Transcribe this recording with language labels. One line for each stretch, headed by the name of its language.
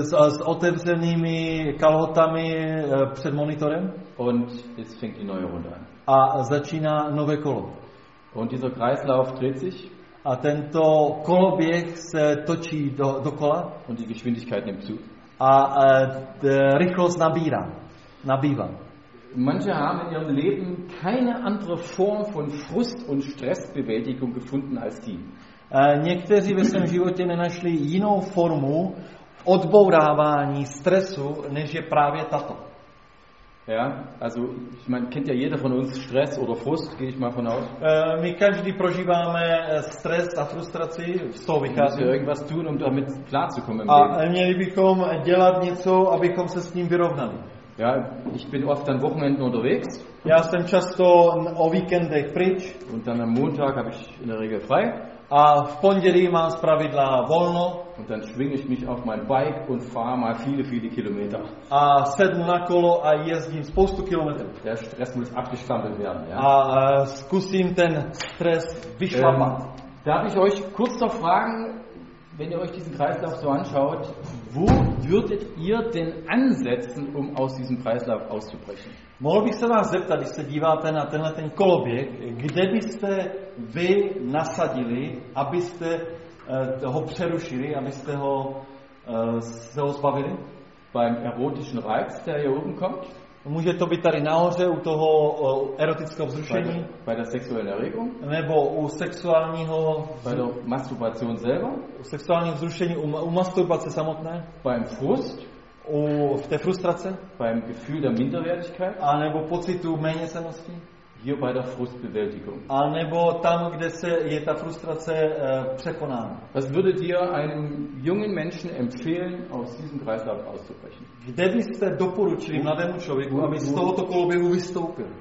Czech: S otevřenými kalhotami před monitorem.
German: Und es fängt die neue Runde an.
Czech: A začíná nové kolo.
German: Und dieser Kreislauf dreht sich.
Czech: A tento koloběh se točí do kola.
German: Und die Geschwindigkeit nimmt zu.
Czech: A rychlost nabývá.
German: Manche haben in ihrem Leben keine andere Form von Frust- und Stressbewältigung gefunden als die.
Czech: Někteří ve svém životě nenašli jinou formu odbourávání stresu, než je právě tato.
German: Ja, also ich meine, kennt ja jeder von uns Stress oder Frust, gehe ich mal von aus.
Czech: My každý prožíváme stres a frustraci, z toho vychází. Musíme
German: irgendwas tun, um damit klar zu kommen.
Czech: A měli bychom dělat něco, abychom se s ním vyrovnali.
German: Ja, ich bin oft an Wochenenden unterwegs.
Czech: Já jsem často o víkendech pryč.
German: Und dann am Montag habe ich in der Regel frei.
Czech: A v pondělí mám zpravidla volno.
German: Und dann schwinge ich mich auf mein Bike und fahre mal viele, viele Kilometer.
Czech: A sednu na kolo a jezdím spoustu kilometrů.
German: Der Stress muss abgestampelt werden. Ja.
Czech: A zkusím ten stres vyšlapat.
German: Darf ich euch kurz noch fragen, wenn ihr euch diesen Kreislauf so anschaut, wo würdet ihr denn ansetzen, um aus diesem Kreislauf auszubrechen?
Czech: Mohl bych se vás zeptat, když se díváte na tenhle ten koloběh, kde byste vy nasadili, abyste ho přerušili, abyste ho se ho zbavili?
German: Beim erotischen Reiz, der hier oben kommt.
Czech: Může to být tady nahoře u toho erotického vzrušení?
German: Bei der sexuellen Erregung.
Czech: Nebo u sexuálního
German: bei der Masturbation selber.
Czech: U sexuálního vzrušení, u masturbace samotné.
German: Beim Frust.
Czech: V té frustrace?
German: Beim Gefühl der Minderwertigkeit.
Czech: A nebo pocitu méněcennosti?
German: Hier bei der Frustbewältigung.
Czech: A nebo tam, kde se je ta frustrace překonána.
German: Was würdet ihr einem jungen Menschen empfehlen, aus diesem Kreislauf auszubrechen?
Czech: Kde byste doporučili mladému člověku, aby z tohoto koloběhu vystoupil?